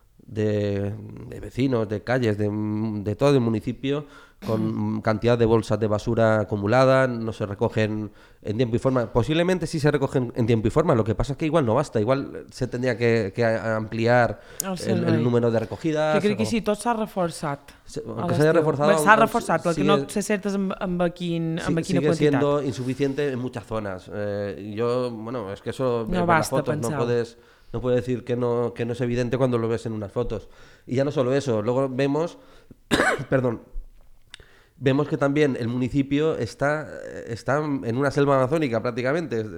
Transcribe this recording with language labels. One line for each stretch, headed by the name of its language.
Spanish: de vecinos, de calles, de todo el municipio, con cantidad de bolsas de basura acumulada, no se recogen en tiempo y forma. Posiblemente sí se recogen en tiempo y forma, lo que pasa es que igual no basta, igual se tendría que ampliar el número de recogidas.
Catalan: Que crec que sí, tot s'ha reforçat. Que s'ha reforçat. S'ha reforçat, perquè no sé cert amb quina quantitat.
Spanish: Sigue siendo insuficiente en muchas zonas. Yo, bueno, es que eso no basta, fotos, pensar. No puedes decir que no es evidente cuando lo ves en unas fotos. Y ya no solo eso, luego vemos, perdón, vemos que también el municipio está en una selva amazónica prácticamente.